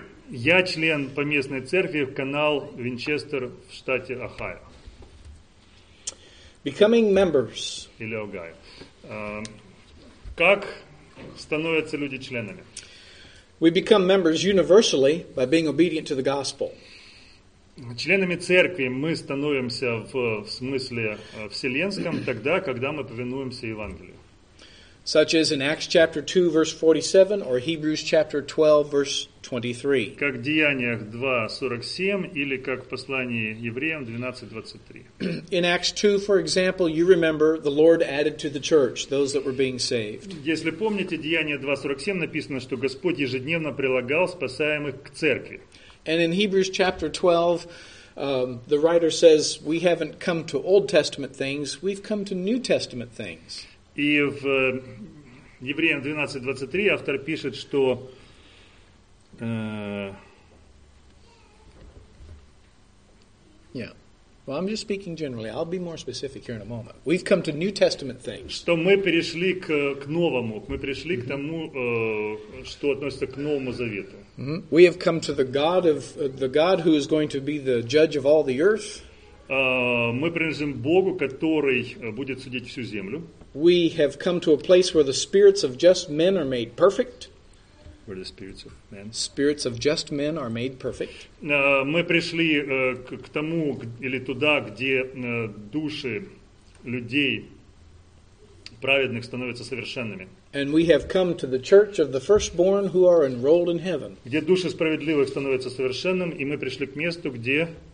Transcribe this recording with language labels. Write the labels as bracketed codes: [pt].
[ru] Я член поместной церкви в Канал Винчестер в штате Охайо. [en] Becoming members. [ru] Или Огайо. Как становятся люди членами? [en] We become members universally by being obedient to the gospel. [ru] Членами церкви мы становимся в смысле вселенском тогда, когда мы повинуемся Евангелию. [en] Such as in Acts chapter 2 verse 47 or Hebrews chapter 12 verse 23. [ru] Как в Деяниях 2:47 или как в послании евреям 12:23. [en] In Acts 2, for example, you remember the Lord added to the church those that were being saved. [ru] Если помните, Деяния 2:47 написано, что Господь ежедневно прилагал спасаемых к церкви. [en] And in Hebrews chapter 12, the writer says, we haven't come to Old Testament things, we've come to New Testament things. [ru] И в Евреям 12:23 автор пишет, что Yeah. [en] Well, I'm just speaking generally. I'll be more specific here in a moment. We've come to New Testament things. [ru] Что мы перешли к новому, мы пришли mm-hmm. к тому, что относится к Новому Завету. Mm-hmm. [en] We have come to the God who is going to be the judge of all the earth. [ru] Мы принадлежим Богу, который будет судить всю землю. [en] We have come to a place where the spirits of just men are made perfect. Where the spirits of men? Spirits of just men are made perfect. [ru] Мы пришли к тому или туда, где души людей праведных становятся совершенными. [en] And we have come to the church of the firstborn who are enrolled in heaven. [ru] Где души справедливых становятся совершенным, и мы пришли к месту, где